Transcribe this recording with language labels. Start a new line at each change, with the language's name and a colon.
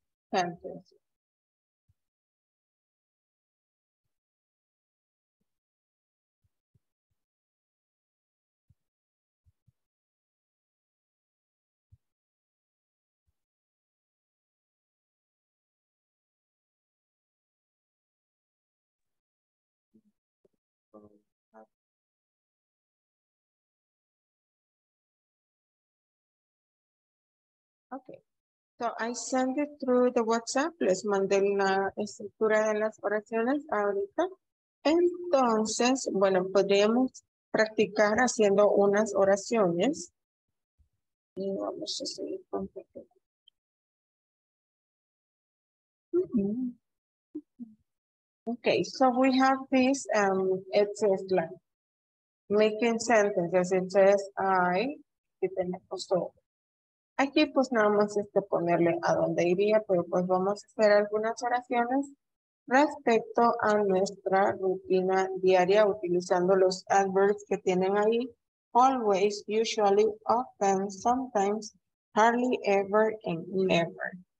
Spanish: Entonces, okay,
English: so I send it through the WhatsApp.
Spanish: Les mandé la estructura de las oraciones ahorita. Entonces, bueno, podríamos practicar haciendo unas oraciones. Y vamos a seguir con esto.
English: Okay, so we have this, it says like, making sentences. It says, I,
Spanish: y tenemos todo. Aquí pues nada más ponerle a dónde iría, pero pues vamos a hacer algunas oraciones respecto a nuestra rutina diaria utilizando los adverbs que tienen ahí.
English: Always, usually, often, sometimes, hardly ever, and never.